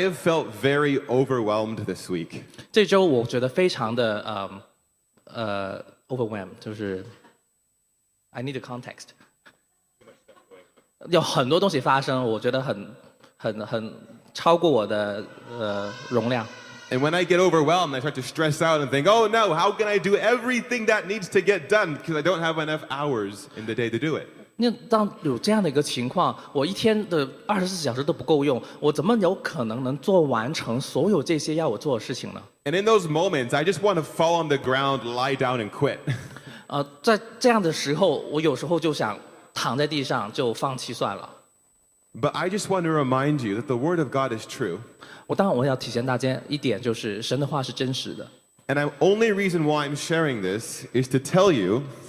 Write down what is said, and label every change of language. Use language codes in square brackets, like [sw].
[en] have felt very overwhelmed this week. [zh] 这周我觉得非常的overwhelmed，就是 [en] I need a context. [zh] 有很多东西发生，我觉得很超过我的容量。 [en] And when I get overwhelmed, I start to stress out and think, oh no, how can I do everything that needs to get done? Because I don't have enough hours in the day to do it. [zh] 当有这样的一个情况，我一天的24小时都不够用，我怎么有可能能做完成所有这些要我做的事情呢？ [en] And in those moments, I just want to fall on the ground, lie down and quit. [zh] 在这样的时候，我有时候就想 躺在地上就放弃算了。 [en] But I just want to remind you that the word of God is true. [zh] 我当然我要提醒大家一点，就是神的话是真实的。 [en] And the only reason why I'm sharing this is to tell you.